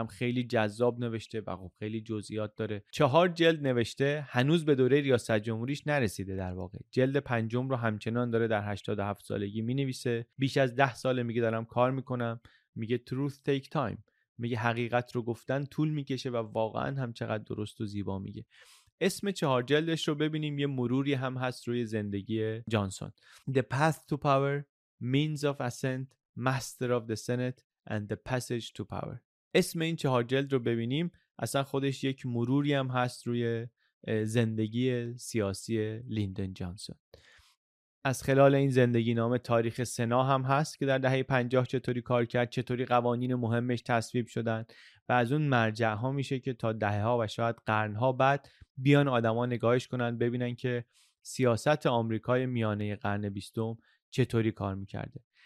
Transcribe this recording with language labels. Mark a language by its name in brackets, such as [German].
[Persian] هم خیلی جذاب نوشته و خب خیلی جزئیات داره. 4 جلد نوشته، هنوز به دوره ریاست جمهوریش نرسیده. در واقع جلد 5 رو همچنان داره در 87 سالگی مینویسه. بیش از 10 ساله میگه دارم کار میکنم. میگه [English] truth take time، [Persian] میگه حقیقت رو گفتن طول میکشه، و واقعا هم چقدر درست و زیبا میگه. اسم 4 جلدش رو ببینیم، یه مروری هم هست روی زندگی جانسون: [English] The Path to Power, Means of Ascent, Master of the Senate, and the Passage to Power. [Persian] اسم این 4 جلد رو ببینیم، اصلا خودش یک مروری هم هست روی زندگی سیاسی لیندن جانسون. از خلال این زندگی نامه تاریخ سنا هم هست که در دهه 50 چطوری کار کرد، چطوری قوانین مهمش تصویب شدن و از اون مرجع ها میشه که تا دهه ها و شاید قرن ها بعد بیان آدما نگاهش کنن ببینن که سیاست آمریکای میانه قرن 20 چطوری کار میکرده.